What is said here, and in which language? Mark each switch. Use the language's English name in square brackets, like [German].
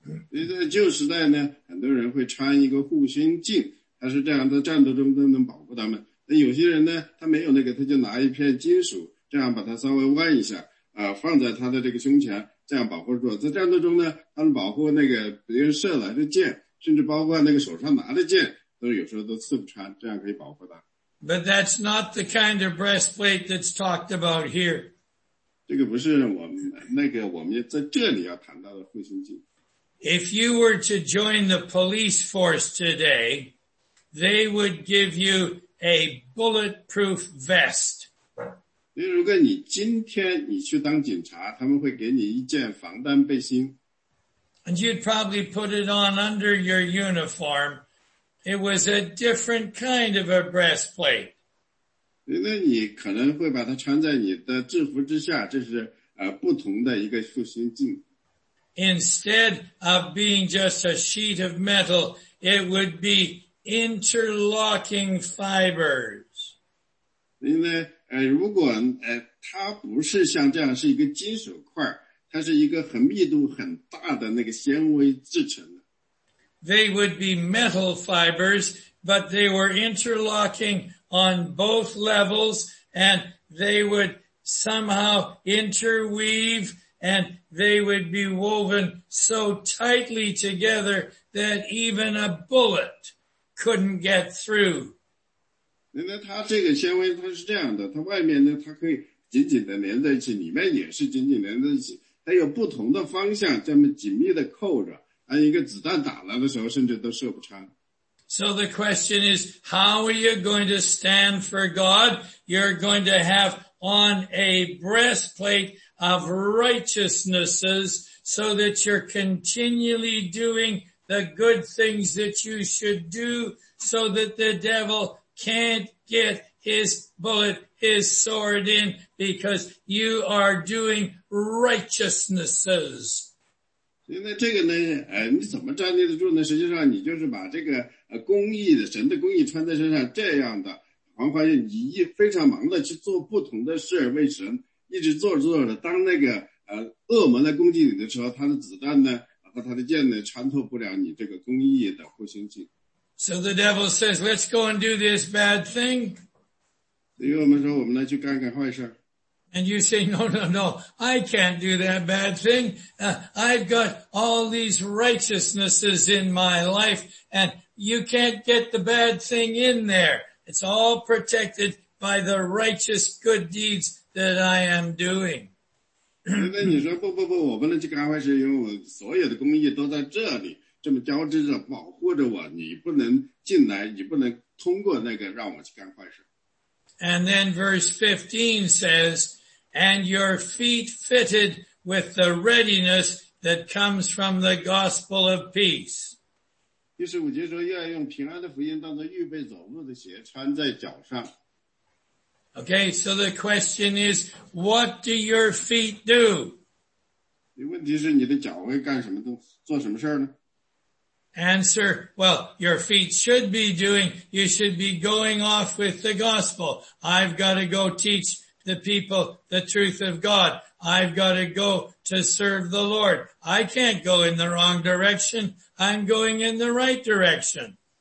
[Chinese] 在旧时代呢，很多人会穿一个护心镜，它是这样的，战斗中都能保护他们。那有些人呢，他没有那个，他就拿一片金属，这样把它稍微弯一下，放在他的这个胸前，这样保护住。在战斗中呢，他们保护那个别人射来的箭。甚至包括那个手上拿的剑，都有时候都刺不穿，这样可以保护他。 [English] But that's not the kind of breastplate that's talked about here. [Chinese] 这个不是我们在这里要谈到的护心镜。 [English] If you were to join the police force today, they would give you a bulletproof vest. [Chinese] 如果你今天你去当警察，他们会给你一件防弹背心。 [English] And you'd probably put it on under your uniform. It was a different kind of a breastplate. [Chinese] 那你可能会把它穿在你的制服之下，这是不同的一个护心镜。 [English] Instead of being just a sheet of metal, it would be interlocking fibers. [Chinese] 因为如果它不是像这样是一个金属块，它是一个很密度很大的那个纤维制成的。 [English] They would be metal fibers, but they were interlocking on both levels, and they would somehow interweave, and they would be woven so tightly together that even a bullet couldn't get through. [Chinese] 那它这个纤维它是这样的，它外面呢它可以紧紧的连在一起，里面也是紧紧连在一起。它有不同的方向，这么紧密的扣着，而一个子弹打来的时候，甚至都射不穿。 [English] So the question is, how are you going to stand for God? You're going to have on a breastplate of righteousnesses so that you're continually doing the good things that you should do so that the devil can't get his bullet, his sword in because you are doing righteousnesses. [Chinese] 现在这个呢，你怎么站立得住呢？实际上，你就是把这个公义的神的公义穿在身上，这样的，然后发现你一非常忙的去做不同的事为神，一直做着做着，当那个恶魔来攻击你的时候，他的子弹呢和他的剑呢穿透不了你这个公义的护心镜。 [English] So the devil says, "Let's go and do this bad thing." [Chinese] 所以我们说，我们来去干干坏事。 [English] And you say, no, no, no, I can't do that bad thing. I've got all these righteousnesses in my life, and you can't get the bad thing in there. It's all protected by the righteous good deeds that I am doing. [Chinese] 那你说不不不，我不能去干坏事，因为我所有的公义都在这里，这么交织着保护着我，你不能进来，你不能通过那个让我去干坏事。 [English] And then verse 15 says, and your feet fitted with the readiness that comes from the gospel of peace. [Chinese] 第十五节说要用平安的福音当作预备走路的鞋穿在脚上。 [English] Okay, so the question is, what do your feet do? [Chinese] 问题是你的脚会干什么都做什么事呢？ [English] Answer, well, your feet should be doing, you should be going off with the gospel. I've got to go teach the people the truth of God. I've got to go to serve the Lord. I can't go in the wrong direction. I'm going in the right direction.